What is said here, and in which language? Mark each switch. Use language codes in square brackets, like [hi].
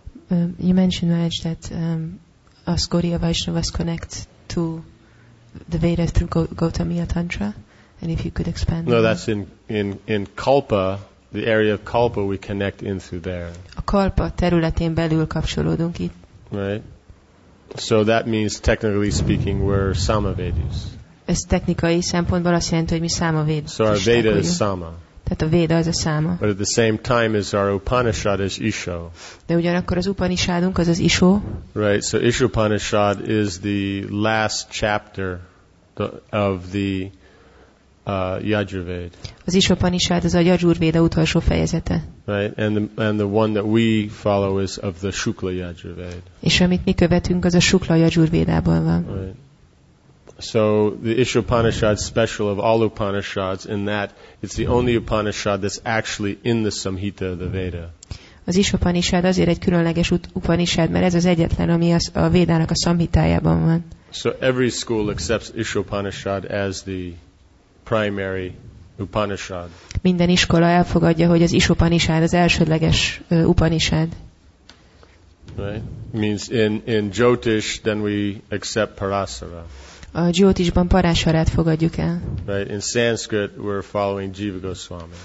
[en] You mentioned, Maharaj, that us Gaudiya Vaishnavas connect to the Veda through Gautamiya Tantra, and if you could expand. No, that's in Kalpa, the area of Kalpa, we connect in through there. [hu] A Kalpa területén belül kapcsolódunk itt. [en] Right. So that means, technically speaking, we're Samavedis. [hu] Ez technikai szempontból azt jelenti, hogy mi Samavedis. [en] So our Veda is Sama. [hu] Tehát a Véda az a száma. [en] But at the same time as our Upanishad is Isho. [hu] De ugyanakkor az Upanishadunk az Isho. [en] Right, so Isho Upanishad is the last chapter of the Yajurveda. [hu] Az Isho Upanishad az a Yajurveda utolsó fejezete. [en] Right, and the one that we follow is of the Shukla Yajurveda. [hu] És amit mi követünk, az a Shukla Yajurvédában van. [en] Right. So the Isho Upanishad is special of all Upanishads in that it's the only Upanishad that's actually in the Samhita, the Veda. [hu] Az Isho Upanishad azért egy különleges Upanishad, mert ez az egyetlen, ami a Védának a Samhitájában van. [en] So every school accepts Isho Upanishad as the primary Upanishad. [hu] Minden iskola elfogadja, hogy az Isho Upanishad az elsődleges Upanishad. [en] Right? Means in Jyotish, then we accept Parasara. [hu] A Jyotishban Parasarát fogadjuk el. [en] Right, in Sanskrit we're following Jiva Goswami.